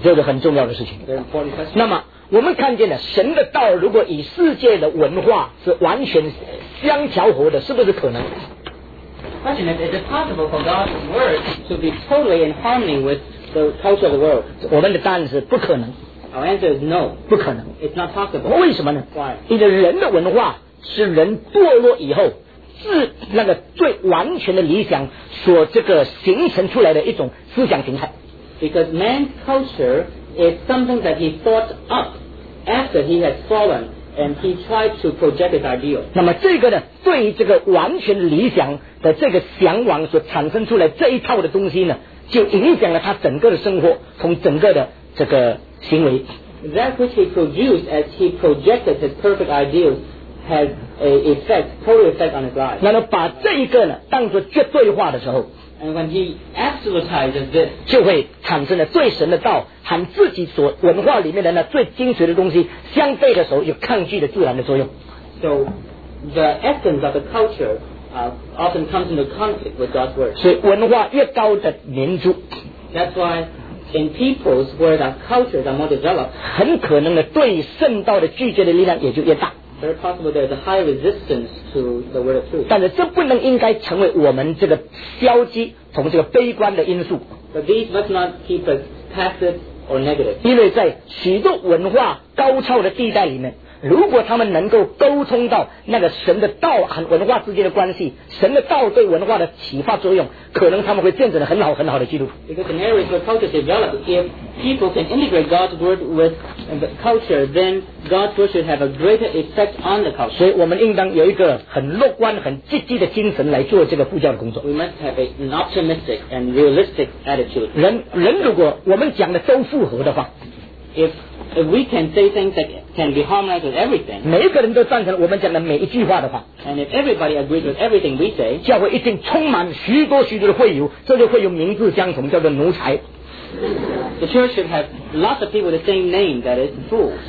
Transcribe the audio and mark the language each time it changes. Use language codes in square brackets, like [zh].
[zh] 这个很重要的事情。 [en] Very important question. [zh] 那么我们看见了神的道如果与世界的文化是完全相调和的是不是可能？ [en] Question is, is it possible for God's word to be totally in harmony with the culture of the world? [zh] 我们的答案是不可能。 [en] Our answer is no. [zh] 不可能。 [en] It's not possible. [zh] 为什么呢？ [en] Why? [zh] 因为人的文化是人堕落以后是那个最完全的理想所这个形成出来的一种思想形态。 [en] Because man's cultureIt's something that he thought up after he had fallen and he tried to project his ideal. [zh] 那么这个呢对于这个完全理想的这个向往所产生出来这一套的东西呢就影响了他整个的生活从整个的这个行为。 [en] That which he produced as he projected his perfect ideal had a effect, total effect on his life. [zh] 那么把这一个呢当作绝对化的时候 [en] And when he absolutizes this, [zh] 就会产生了对神的道和自己所文化里面的那最精髓的东西相对的时候有抗拒的自然的作用。 [en] So the essence of the culture often comes into conflict with God's word. [zh] 所以文化越高的民族 [en] That's why in peoples where the cultures are more developed, [zh] 很可能的对圣道的拒绝的力量也就越大。 [en] Very possible there is a high resistance to the word of truth. [zh] 但是这不能应该成为我们这个消极从这个悲观的因素。 [en] But these must not keep us passive or negative. [zh] 因为在许多文化高超的地带里面，如果他们能够沟通到那个神的道和文化之间的关系，神的道对文化的启发作用，可能他们会建成很好很好的基督徒。 [en] Because in areas where culture develops, if people can integrate God's word with the culture, then God's word should have a greater effect on the culture. [zh] 所以我们应当有一个很乐观、很积极的精神来做这个布教的工作。 [en] We must have an optimistic and realistic attitude. [zh] 人如果我们讲的都符合的话 [en] If we can say things that can be harmonized with everything, [zh] 每一个人都赞成我们讲的每一句话的话 [en] and if everybody agrees with everything we say, [zh] 教会一定充满许多许多的会友，这些会友名字相同，叫做奴才。 [en] The church should have lots of people with the same name, that is fools.